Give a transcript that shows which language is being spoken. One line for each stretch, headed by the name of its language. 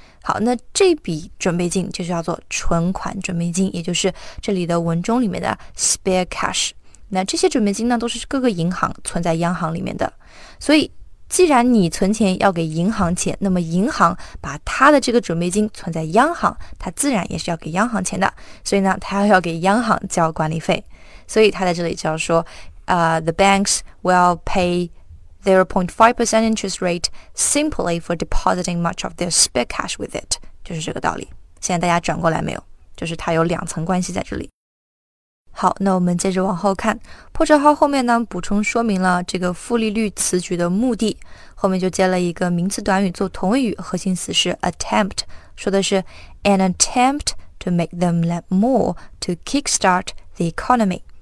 Chinese: 好，那这笔准备金就叫做存款准备金，也就是这里的文中里面的 spare cash。那这些准备金呢，都是各个银行存在央行里面的。所以既然你存钱要给银行钱，那么银行把他的这个准备金存在央行，他自然也是要给央行钱的，所以呢他要给央行交管理费。所以他在这里就要说
English: The banks will pay 0.5% interest rate simply for depositing much of their spare cash with it.
Chinese: 就是这个道理。现在大家转过来没有？就是它有两层关系在这里。好，那我们接着往后看。破折号后面呢，补充说明了这个负利率词句的目的。后面就接了一个名词短语做同位语，核心词是 attempt， 说的是
English: an attempt to make them lend more to kickstart the economy.